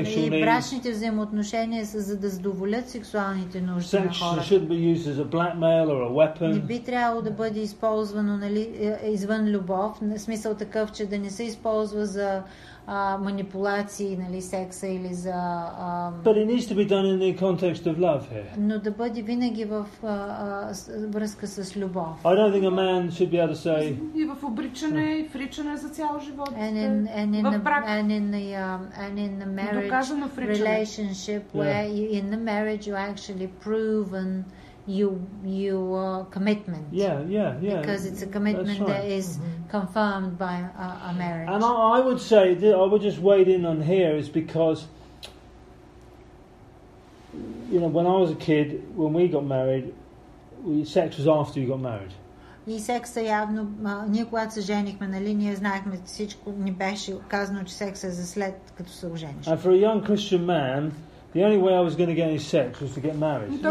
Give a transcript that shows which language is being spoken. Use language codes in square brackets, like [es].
[bg] Брачните взаимоотношения са за да задоволят сексуалните нужди на хората. Не би трябвало да бъде използвано, нали, извън любов, на смисъл такъв, че да не се използва за манипулации, нали, секса или за... [en] But it needs to be done in the context of love here. [bg] Но да бъде винаги в връзка с любов. [en] I don't think a man should be able to say... [bg] И в обричане, и в ричане за цял живот. [en] In the marriage you actually proven your commitment. Yeah. Because it's a commitment that is confirmed by a marriage. And I would say, that I would just wade in on here, is because, you know, when I was a kid, when we got married, sex was after you got married. [bg] И секса явно, ние когато се женихме, нали, ние знаехме всичко, ни беше казано, че секса е за след като се ожениш. [en] And for a young Christian man, the only way I was going to get any sex was to get married.